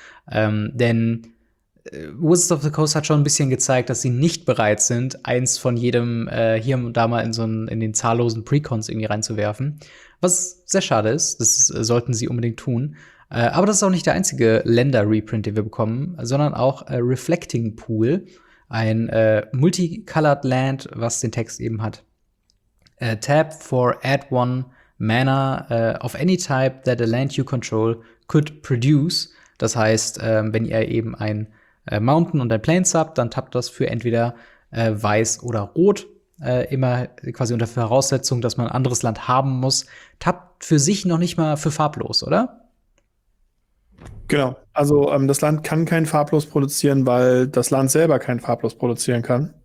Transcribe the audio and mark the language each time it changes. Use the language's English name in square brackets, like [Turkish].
[German] Denn Wizards of the Coast hat schon ein bisschen gezeigt, dass sie nicht bereit sind, eins von jedem hier und da mal in den zahllosen Precons irgendwie reinzuwerfen. Was sehr schade ist, das sollten sie unbedingt tun. Aber das ist auch nicht der einzige Länder-Reprint, den wir bekommen, sondern auch Reflecting Pool. Ein Multicolored Land, was den Text eben hat. [English] Tap for add one mana of any type that a land you control could produce. [German] Das heißt, wenn ihr eben ein Mountain und ein Plains habt, dann tappt das für entweder weiß oder rot. Immer quasi unter Voraussetzung, dass man ein anderes Land haben muss. Tappt für sich noch nicht mal für farblos, oder? Genau, also das Land kann kein Farblos produzieren, weil das Land selber kein Farblos produzieren kann.